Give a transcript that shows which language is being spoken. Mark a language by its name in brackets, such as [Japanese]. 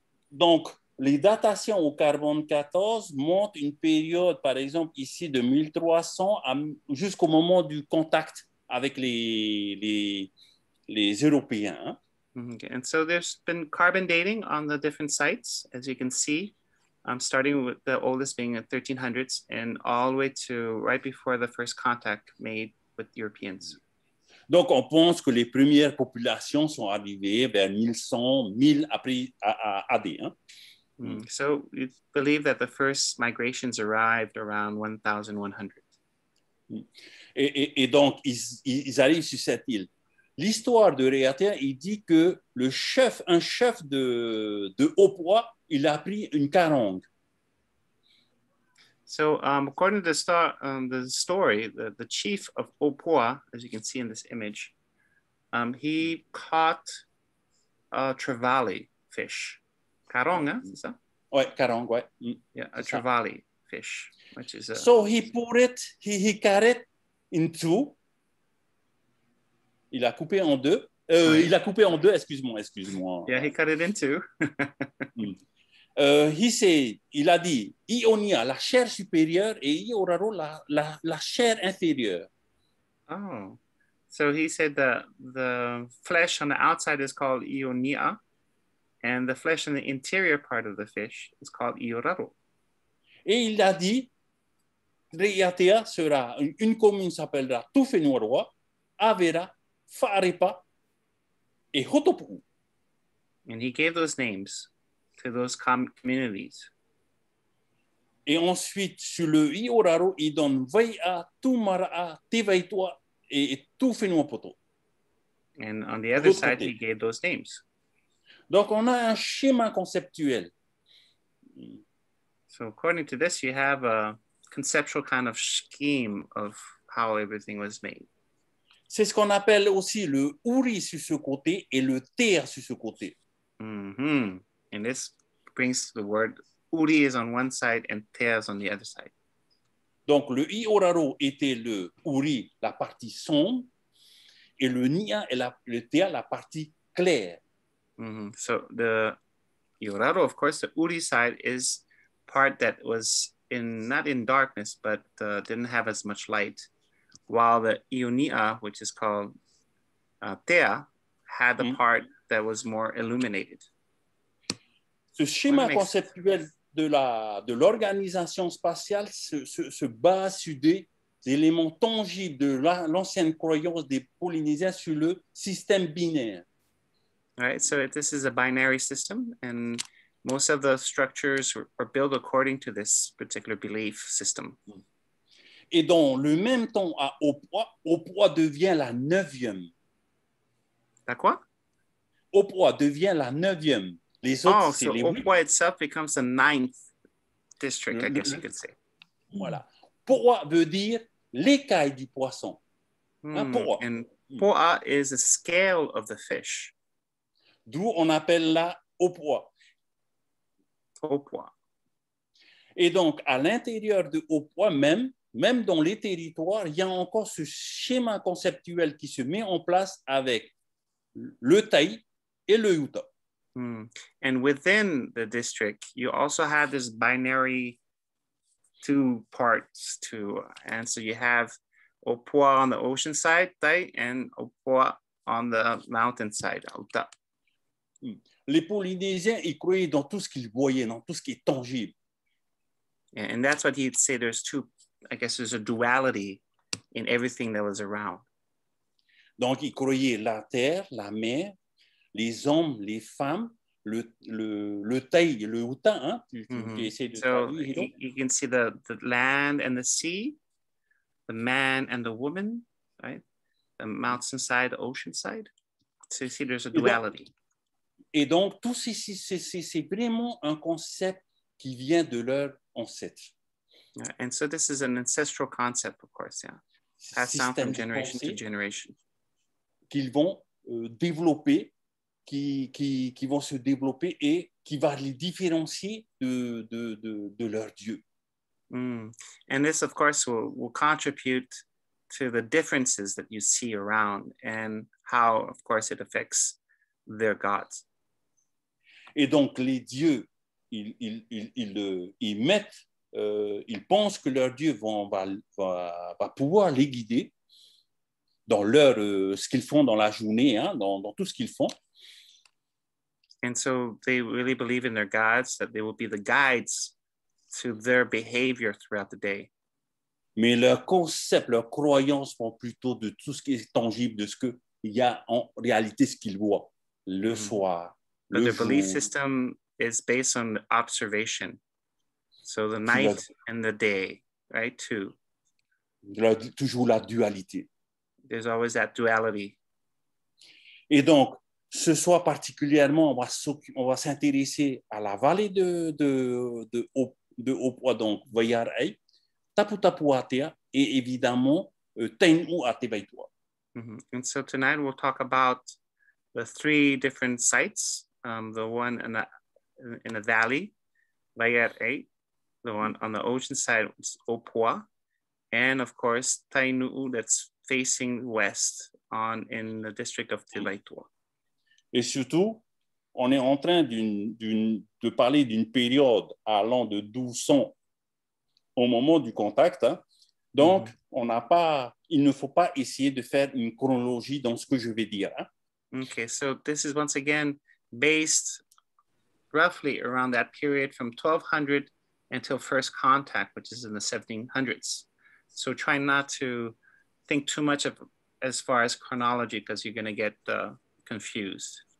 [French] Donc, les datations au carbone 14 montrent une période, par exemple ici, de 1300 jusqu'au moment du contact avec les Européens. [English] Okay. And so there's been carbon dating on the different sites, as you can see, starting with the oldest being at 1300s and all the way to right before the first contact made with Europeans. [French] Donc, on pense que les premières populations sont arrivées vers 1100, 1000 après AD. Hein? Mm. [English] So, you believe that the first migrations arrived around 1100. [French] Et donc, ils arrivent sur cette île. L'histoire de Raʻiātea, il dit que le chef, un chef de haut poids, il a pris une carangue. [English] So according to the story, the chief of Opoa, as you can see in this image, he caught a trevally fish. Caronga, is that? [French] Oui, caronga, oui. [English] Yeah, a trevally fish, which is a... So he put it, he cut it in two. [French] Il a coupé en deux. Il a coupé en deux, excuse-moi. [English] Yeah, he cut it in two. [French] il a dit Ionia, la chair supérieure, et Ioraro, la chair inférieure. [English] Oh, so he said that the flesh on the outside is called Ionia, and the flesh in the interior part of the fish is called Ioraro. [French] Et il a dit, Raʻiātea sera, une commune s'appellera Tufenuaroa, Avera, Farepa, et Hotopu. [English] And he gave those names to those communities. [French] Et ensuite, sur le Ioraro, il donne Vaia, Tumara'a, Tevaitoa, et Tufenuapoto. [English] And on the other side, he gave those names. [French] Donc, on a un schéma conceptuel. [English] So, according to this, you have a conceptual kind of scheme of how everything was made. [French] C'est ce qu'on appelle aussi le Uri sur ce côté et le Terre sur ce côté. Mm-hmm. [English] And this brings to the word Uri is on one side and Terre is on the other side. [French] Donc, le Ioraro était le Uri, la partie sombre, et le Nia et le Terre, la partie claire. Mm-hmm. [English] So, the Ioraro, of course, the Uri side is part that was in not in darkness, but didn't have as much light, while the Ionia, which is called Thea, had the part that was more illuminated. [French] Ce schéma conceptuel de l'organisation spatiale se base sur des éléments tangibles de l'ancienne croyance des Polynésiens sur le système binaire. [English] Right, so this is a binary system, and most of the structures are built according to this particular belief system. [French] Et dans le même temps, à Opoa devient la neuvième. La quoi? Opoa devient la neuvième. Les autres, [English] oh, so Opoa itself becomes the ninth district, I guess you could say. [French] Voilà. Poa veut dire l'écaille du poisson. Poa. [English] And Poa is a scale of the fish. [French] D'où on appelle la Opoa. Opoa. Et donc, à l'intérieur de Opoa même, même dans les territoires, il y a encore ce schéma conceptuel qui se met en place avec le Taï et le Yuta. [English] And within the district, you also have this binary two parts to answer. You have Opoa on the ocean side, Taï, and Opoa on the mountain side, Yuta. [French] Les Polynésiens, ils croyaient dans tout ce qu'ils voyaient, dans tout ce qui est tangible. [English] And that's what he'd say, there's two, I guess there's a duality in everything that was around. [French] Donc, ils croyaient la terre, la mer, les hommes, les femmes, le taille, le houtan. Hein, tu essaies de traduire, [English] you can see the land and the sea, the man and the woman, right? The mountain side, the ocean side. So you see, there's a duality. [French] Et donc, tout ceci, c'est vraiment un concept qui vient de leur ancêtre. [English] And so this is an ancestral concept, of course, yeah. Passed down from generation to generation. [French] Qu'ils vont développer, qui vont se développer et qui va les différencier de leur dieu. [English] And this, of course, will contribute to the differences that you see around and how, of course, it affects their gods. [French] Et donc, les dieux, ils mettent, ils pensent que leur dieu va pouvoir les guider dans leur, ce qu'ils font dans la journée, hein, dans tout ce qu'ils font. [English] And so, they really believe in their gods, that they will be the guides to their behavior throughout the day. [French] Mais leur concept, leur croyance vont plutôt de tout ce qui est tangible, de ce qu'il y a en réalité, ce qu'ils voient le soir. [English] But their belief system is based on observation. So the night and the day, right, too. [French] Toujours la dualité. [English] There's always that duality. [French] Et donc, ce soir particulièrement, on va s'intéresser à la vallée de Opoa, donc Vaiarei, Taputapuātea, et évidemment, Tainuʻu à Te Vaitoa. [English] And so tonight we'll talk about the three different sites. The one in the valley, Raʻiātea, the one on the ocean side, Opoa, and of course Tainuʻu, that's facing west on in the district of Te Vaitoa. [French] Et surtout, on est en train de parler d'une période allant de 1200 au moment du contact. Hein? Donc, on n'a pas, il ne faut pas essayer de faire une chronologie dans ce que je vais dire. Hein? [English] Okay, so this is once again based roughly around that period from 1200 until first contact, which is in the 1700s. So try not to think too much of as far as chronology, because you're going to get confused.